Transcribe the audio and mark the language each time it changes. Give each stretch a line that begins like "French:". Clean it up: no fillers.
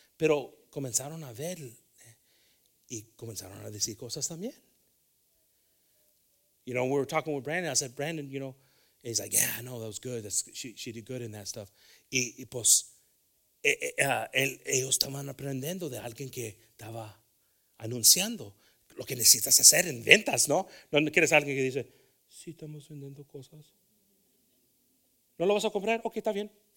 Spanish: Pero comenzaron a ver y comenzaron a decir cosas también.
English: You know, we were talking with Brandon. I said, Brandon, you know, he's like, yeah, I know, that was good. She did good in that stuff.
Spanish: Y pues, ellos estaban aprendiendo de alguien que estaba anunciando lo que necesitas hacer en ventas, ¿no? No quieres alguien que dice, sí, estamos vendiendo cosas. ¿No lo vas a comprar? Ok, está bien.